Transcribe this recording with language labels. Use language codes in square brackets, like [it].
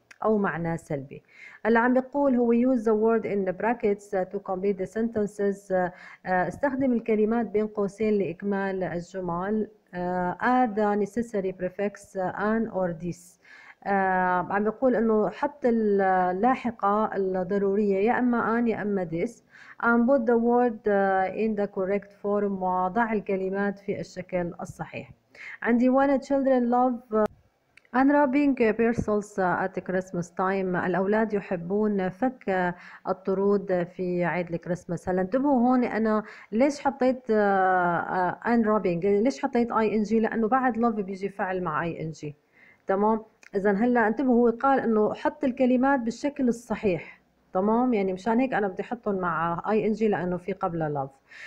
[ar] أو معنى سلبي. اللي عم بيقول هو [en] use the word in the brackets to complete the sentences. [ar] استخدم الكلمات بين قوسين لإكمال الجمل. [en] Add the necessary prefix an or this. [ar] عم بيقول إنه حط اللاحقة الضرورية يا إما an يا إما this. [en] And put the word in the correct form. [ar] وضع الكلمات في الشكل الصحيح. عندي [en] one children love unwrapping parcels at Christmas time. [ar] الأولاد يحبون فك الطرود في عيد الكريسماس. هلا انتبهوا هون أنا ليش حطيت unwrapping، ليش حطيت ing؟ لأنه بعد love بيجي فعل مع ing، تمام؟ إذا هلا انتبهوا، هو قال إنه حط الكلمات بالشكل الصحيح، تمام؟ يعني مشان هيك أنا بدي أحطهم مع ing لأنه في قبل love.